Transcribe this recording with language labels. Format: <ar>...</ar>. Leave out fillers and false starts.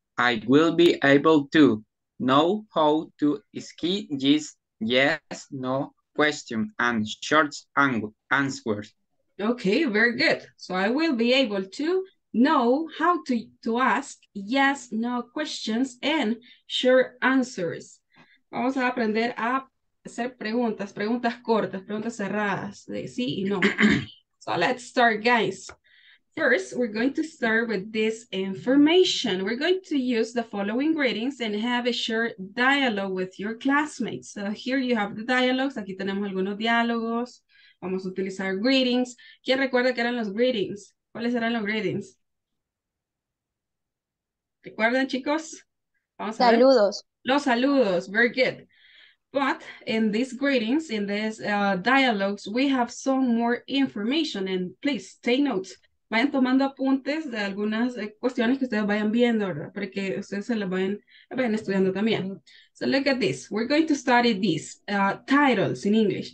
<en>I will be able to know how to ski this yes, no question and short answers. Okay, very good. So I will be able to know how to ask yes, no questions and short answers.</en> <es>Vamos a aprender a hacer preguntas, preguntas cortas, preguntas cerradas, de sí y no.</es> <en>So let's start, guys. First, we're going to start with this information. We're going to use the following greetings and have a short dialogue with your classmates. So here you have the dialogues.</en> <es>Aquí tenemos algunos diálogos. Vamos a utilizar greetings. ¿Quién recuerda qué eran los greetings? ¿Cuáles eran los greetings? ¿Recuerdan, chicos? Vamos saludos. A ver. Los saludos.</es> <en>Very good. But in these greetings, in these dialogues, we have some more information. And please, take notes.</en> <es>Vayan tomando apuntes de algunas cuestiones que ustedes vayan viendo, ¿verdad? Para que ustedes se las vayan estudiando también.</es> <en>So look at this. We're going to study these titles in English.</en>